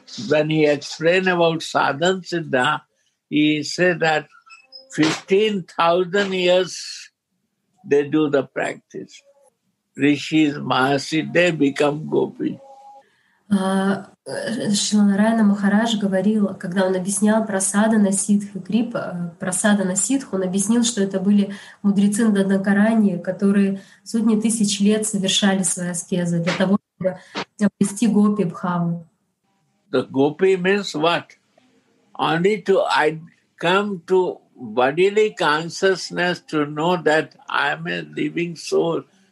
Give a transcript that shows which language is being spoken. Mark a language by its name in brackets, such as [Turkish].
[English] When he explain about sadhan siddha, he say that 15,000 years they do the practice. Rishis, Mahasi, they become gopi. [Russian] Шрила Нараяна Махарадж говорила, когда он объяснял про садхана сиддху, крипа, про садхана сиддху, он объяснил, что это были мудрецы Дандакарани, которые сотни тысяч лет совершали свои аскезы для того, чтобы обрести гопи бхаву. [English] The gopi means what? Only to I come to bodily consciousness to know that I am a living soul.